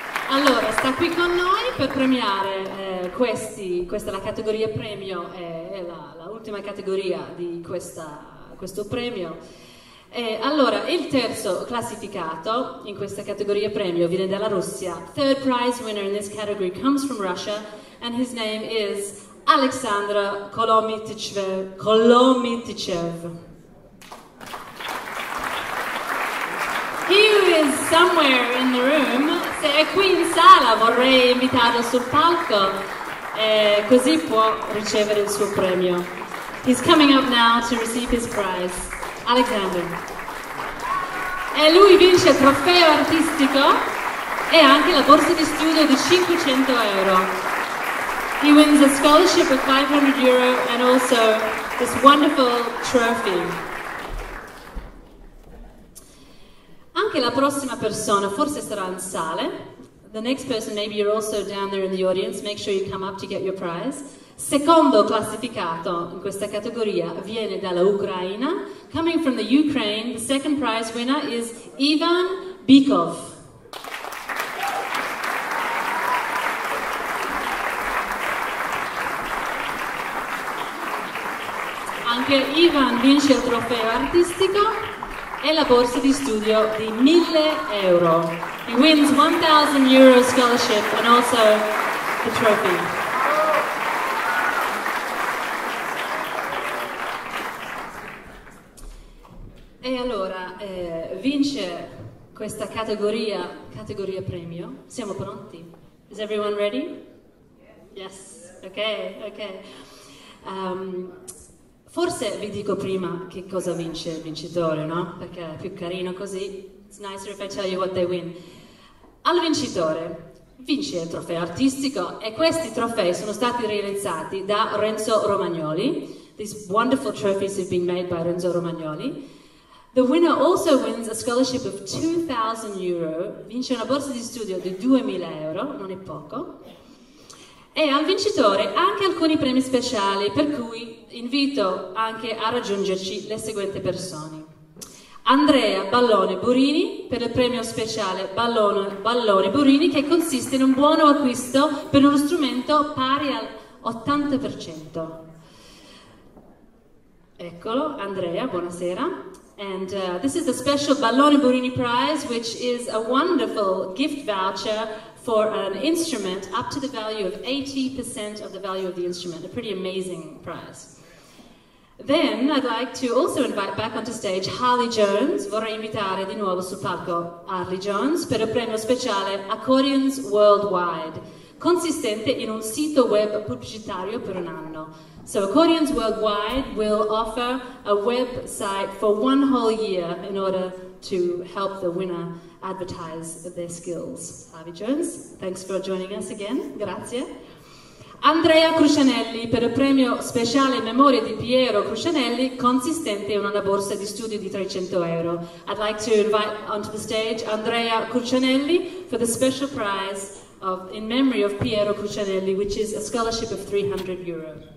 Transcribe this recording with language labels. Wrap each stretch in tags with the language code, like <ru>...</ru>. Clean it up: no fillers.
<it>Allora, sta qui con noi per premiare questa è la categoria premio, è l'ultima categoria di questo premio. Allora, il terzo classificato in questa categoria premio viene dalla Russia.</it> <en>Third prize winner in this category comes from Russia and his name is Alexandra Kolomitichev. Is somewhere in the room.</en> <it>Se è qui in sala, vorrei invitarlo sul palco, così può ricevere il suo premio.</it> <en>He's coming up now to receive his prize, Alexander.</en> <it>E lui vince il trofeo artistico e anche la borsa di studio di 500 euro.</it> <en>He wins a scholarship of 500 euro and also this wonderful trophy.</en> <it>Anche la prossima persona forse sarà in sale.</it> <en>The next person, maybe you're also down there in the audience, make sure you come up to get your prize.</en> <it>Secondo classificato in questa categoria viene dall'Ucraina.</it> <en>Coming from the Ukraine, the second prize winner is Ivan Bykov.</en> <it>Anche Ivan vince il trofeo artistico e la borsa di studio di 1000 euro.</it> <en>He wins 1000 euro scholarship and also the trophy.</en> <it>E allora, vince questa categoria premio. Siamo pronti?</it> <en>Is everyone ready? Yes, ok.</en> <it>Forse vi dico prima che cosa vince il vincitore, no? Perché è più carino così.</it> <en>It's nicer if I tell you what they win.</en> <it>Al vincitore vince il trofeo artistico e questi trofei sono stati realizzati da Renzo Romagnoli.</it> <en>These wonderful trophies have been made by Renzo Romagnoli. The winner also wins a scholarship of 2000 euro.</en> <it>Vince una borsa di studio di 2000 euro, non è poco. E al vincitore anche alcuni premi speciali, per cui invito anche a raggiungerci le seguenti persone. Andrea Ballone Burini per il premio speciale Ballone Burini, che consiste in un buono acquisto per uno strumento pari al 80%. Eccolo, Andrea, buonasera.</it> <en>And this is a special Ballone Burini prize, which is a wonderful gift voucher for an instrument up to the value of 80% of the value of the instrument, a pretty amazing prize. Then I'd like to also invite back onto stage Harley Jones.</en> <it>Vorrei invitare di nuovo sul palco Harley Jones per il premio speciale Accordions Worldwide, consistente in un sito web pubblicitario per un anno.</it> <en>So Accordions Worldwide will offer a website for one whole year in order to help the winner advertise their skills. Harvey Jones, thanks for joining us again.</en> <it>Grazie. Andrea Crucianelli per il premio speciale in memoria di Piero Crucianelli, consistente in una borsa di studio di 300 euro.</it> <en>I'd like to invite onto the stage Andrea Crucianelli for the special prize in memory of Piero Crucianelli, which is a scholarship of 300 euro.</en>